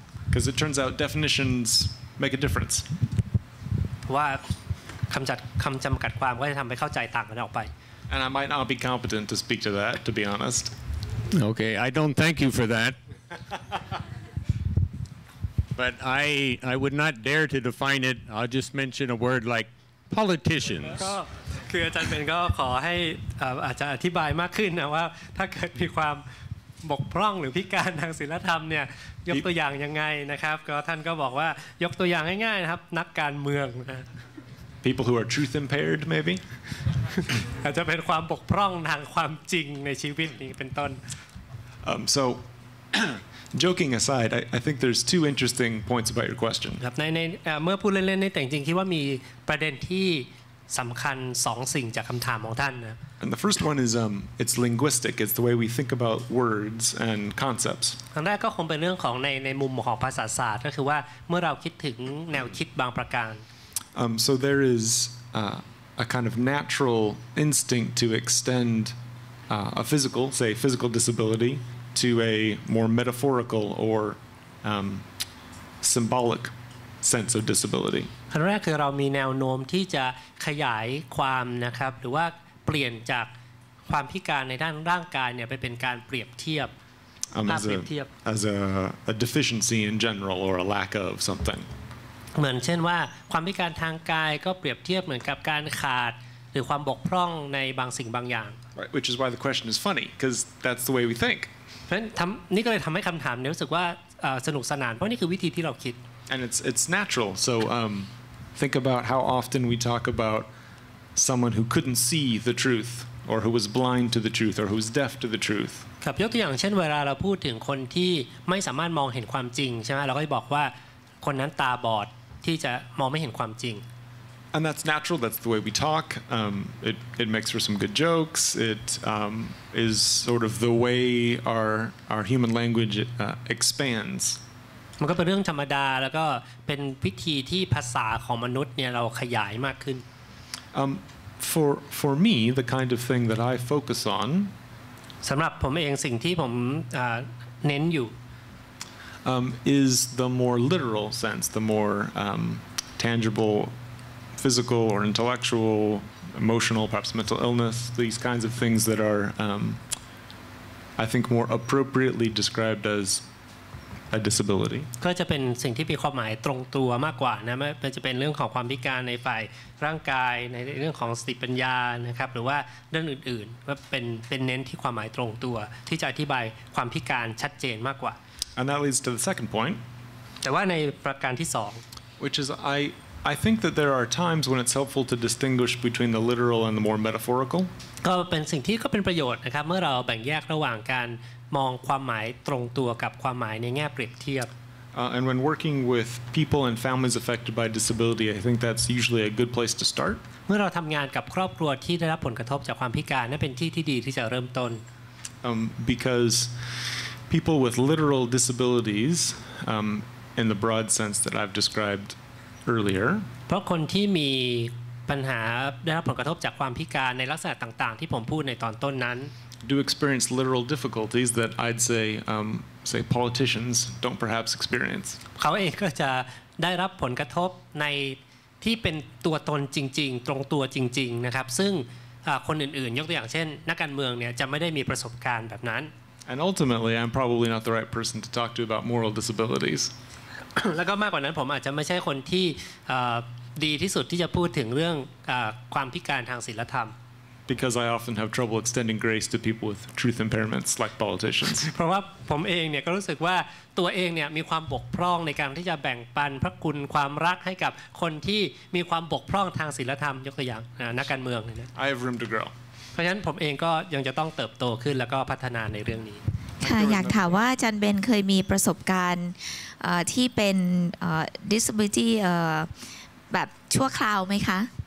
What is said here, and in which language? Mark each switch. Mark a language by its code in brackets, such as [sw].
[en] Because it turns out definitions make a difference. [th] ว่าคำจำกัดความก็จะทำให้เข้าใจต่างกันออกไป [en] And I might not be competent to speak to that, to be honest. Okay, I don't thank you for that. But I would not dare to define it. I'll just mention a word like politicians. [th] คืออาจารย์เป็นก็ขอให้อาจจะอธิบายมากขึ้นนะว่าถ้าเกิดมีความบกพร่องหรือพิการทางศีลธรรมเนี่ยยกตัวอย่างยังไงนะครับก็ท่านก็บอกว่ายกตัวอย่างง่ายๆนะครับนักการเมืองนะ [en] People who are truth impaired maybe [th] อาจจะเป็นความบกพร่องทางความจริงในชีวิตนี้เป็นต้น [en] so joking aside I think there's two interesting points about your question [th] ครับในเมื่อพูดเล่นๆในแต่จริงคิดว่ามีประเด็นที่สำคัญ2สิ่งจากคำถามของท่านนะ [en] And the first one is it's linguistic it's the way we think about words and concepts [th] อันแรกก็คงเป็นเรื่องของในมุมของภาษาศาสตร์ก็คือว่าเมื่อเราคิดถึงแนวคิดบางประการ [en] so there is a kind of natural instinct to extend a physical say physical disability to a more metaphorical or symbolic sense of disability [th] อันแรกคือเรามีแนวโน้มที่จะขยายความนะครับหรือว่าเปลี่ยนจากความพิการในด้านร่างกายเนี่ยไปเป็นการเปรียบเทียบภาพเปรียบเทียบ [en] as a deficiency in general or a lack of something [th] เหมือนเช่นว่าความพิการทางกายก็เปรียบเทียบเหมือนกับการขาดหรือความบกพร่องในบางสิ่งบางอย่าง [en] right which is why the question is funny because that's the way we think [th] เพราะฉะนั้นนี่ก็เลยทำให้คำถามเนี่ยรู้สึกว่าสนุกสนานเพราะนี่คือวิธีที่เราคิด [en] And it's natural. So think about how often we talk about someone who couldn't see the truth, or who was blind to the truth, or who was deaf to the truth. [th] ครับยกตัวอย่างเช่นเวลาเราพูดถึงคนที่ไม่สามารถมองเห็นความจริงใช่ไหมเราก็บอกว่าคนนั้นตาบอดที่จะมองไม่เห็นความจริง [en] And that's natural. That's the way we talk. It makes for some good jokes. It is sort of the way our human language expands. [th] มันก็เป็นเรื่องธรรมดาแล้วก็เป็นวิธีที่ภาษาของมนุษย์เนี่ยเราขยายมากขึ้น [en] for me the kind of thing that I focus on [th] สำหรับผมเองสิ่งที่ผมเน้นอยู่ [en] is the more literal sense the more tangible physical or intellectual emotional perhaps mental illness these kinds of things that are I think more appropriately described as a disability. [th] ก็จะเป็นสิ่งที่มีความหมายตรงตัวมากกว่านะไม่ว่าจะเป็นเรื่องของความพิการในฝ่ายร่างกายในเรื่องของสติปัญญานะครับหรือว่าด้านอื่นๆว่าเป็นเน้นที่ความหมายตรงตัวที่จะอธิบายความพิการชัดเจนมากกว่า [en] And that leads to the second point. [th] แต่ว่าในประการที่2 [en] which is I think that there are times when it's helpful to distinguish between the literal and the more metaphorical. [th] ก็เป็นสิ่งที่ก็เป็นประโยชน์นะครับเมื่อเราแบ่งแยกระหว่างการมองความหมายตรงตัวกับความหมายในแง่เปรียบเทียบ [en] And when working with people and families affected by disability, I think that's usually a good place to start. [th] เมื่อเราทำงานกับครอบครัวที่ได้รับผลกระทบจากความพิการนั่นเป็นที่ที่ดีที่จะเริ่มต้น [en] Because people with literal disabilities, in the broad sense that I've described earlier, [th] เพราะคนที่มีปัญหาได้รับผลกระทบจากความพิการในลักษณะต่างๆที่ผมพูดในตอนต้นนั้น [en] Do experience literal difficulties that I'd say, say politicians don't perhaps experience. [th] เขาเองก็จะได้รับผลกระทบในที่เป็นตัวตนจริงๆตรงตัวจริงๆนะครับซึ่งคนอื่นๆยกตัวอย่างเช่นนักการเมืองเนี่ยจะไม่ได้มีประสบการณ์แบบนั้น [en] And ultimately, I'm probably not the right person to talk to about moral disabilities. [th] แล้วก็มากกว่านั้นผมอาจจะไม่ใช่คนที่ดีที่สุดที่จะพูดถึงเรื่องความพิการทางศีลธรรม [en] Because I often have trouble extending grace to people with truth impairments, like politicians. [th] เพราะว่าผมเองเนี่ยก็รู้สึกว่าตัวเองเนี่ยมีความบกพร่องในการที่จะแบ่งปันพระคุณความรักให้กับคนที่มีความบกพร่องทางศีลธรรมยกตัวอย่างนักการเมืองเนี่ย [en] I have room to grow. [th] เพราะฉะนั้นผมเองก็ยังจะต้องเติบโตขึ้นแล้วก็พัฒนาในเรื่องนี้ค่ะอยากถามว่าจันเบนเคยมีประสบการณ์ที่เป็น disability แบบชั่วคราวไหมคะ